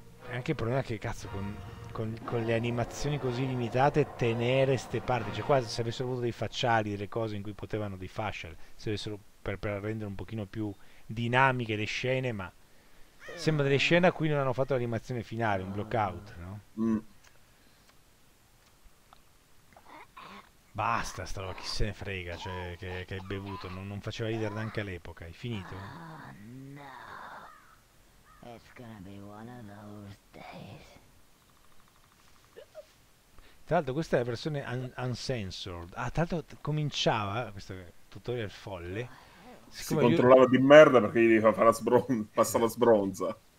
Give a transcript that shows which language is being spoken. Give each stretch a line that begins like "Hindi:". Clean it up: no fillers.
Italian: anche il problema che cazzo con le animazioni così limitate tenere ste parti, cioè quasi se avessero avuto dei facciali, delle cose in cui potevano dei fascial, se avessero per rendere un pochino più dinamiche le scene, ma sembra delle scene a cui non hanno fatto l'animazione finale, un blockout, no? Basta sta roba, chi se ne frega, cioè che hai bevuto, non faceva ridere neanche all'epoca, hai finito?
English: It's gonna be one of those days.
Italian: Tra l'altro questa è la versione uncensored. Ah, tra l'altro cominciava questo tutorial folle. Siccome si controllava di merda perché gli fa la sbronza, passa la sbronza.